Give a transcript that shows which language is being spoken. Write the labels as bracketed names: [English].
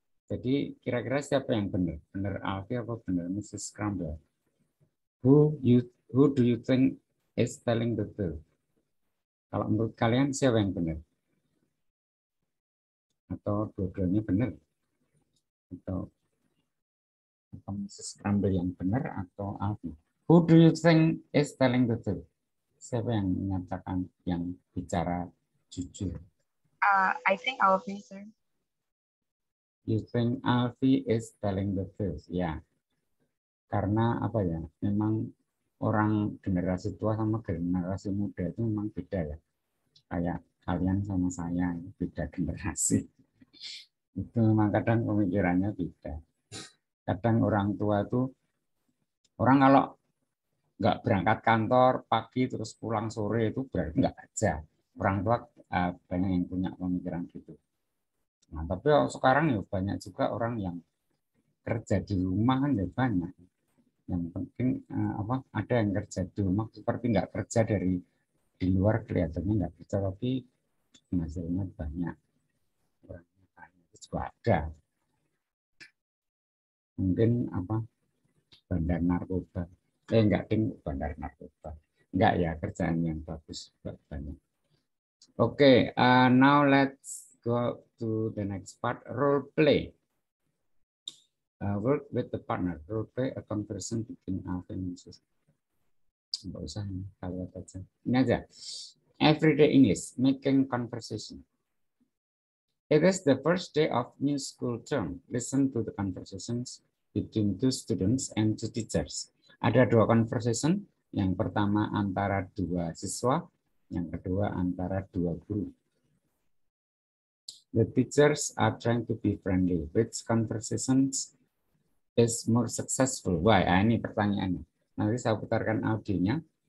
[Indonesian] Jadi kira-kira siapa yang benar? Benar Alfie atau benar Mrs. Scramble? [English] Who do you think is telling the truth? [Indonesian] Kalau menurut kalian siapa yang benar? Atau dua-duanya benar? Atau Mrs. Scramble yang benar atau Alfie? [English] Who do you think is telling the truth? [Indonesian] Siapa yang menyatakan yang bicara jujur? [English] I think Alfie, sir. You think Alfie is telling the truth, ya. [Indonesian] Karena apa ya, memang orang generasi tua sama generasi muda itu memang beda ya. Kayak kalian sama saya, beda generasi. Itu memang kadang pemikirannya beda. Kadang orang tua itu, orang kalau nggak berangkat kantor pagi terus pulang sore itu berarti nggak aja. Orang tua banyak yang punya pemikiran gitu. Nah, tapi sekarang ya banyak juga orang yang kerja di rumah kan ya banyak. yang penting apa ada yang kerja di rumah, seperti nggak kerja dari di luar kelihatannya nggak kerja tapi hasilnya banyak, ada mungkin apa bandar narkoba, nggak ting bandar narkoba, nggak ya kerjaan yang bagus banyak. [English] Oke, now let's go to the next part, role play. Work with the partner, role play a conversation between Alvin and Susan. [Indonesian] Nggak usah, kalau aja. Ini aja. [English] Everyday English, making conversation. It is the first day of new school term. Listen to the conversations between two students and two teachers. [Indonesian] Ada dua conversation. Yang pertama antara dua siswa. Yang kedua antara dua guru. [English] The teachers are trying to be friendly. Which conversations is more successful? Why? [Indonesian] Ini pertanyaannya. Nanti saya putarkan audionya.